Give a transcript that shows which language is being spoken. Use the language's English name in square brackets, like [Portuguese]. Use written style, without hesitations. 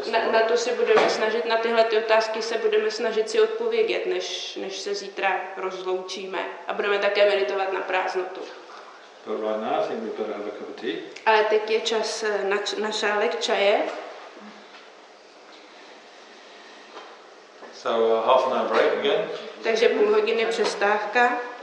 [Czech] Na to se budeme snažit, na tyhle ty otázky se budeme snažit si odpovědět, než se zítra rozloučíme a budeme také meditovat na prázdnotu. [English] But right now I think we better have a cup of tea. [Czech] Ale teď je čas na šálek čaje. [English] So half an hour break again. [Czech] Takže půl hodiny přestávka.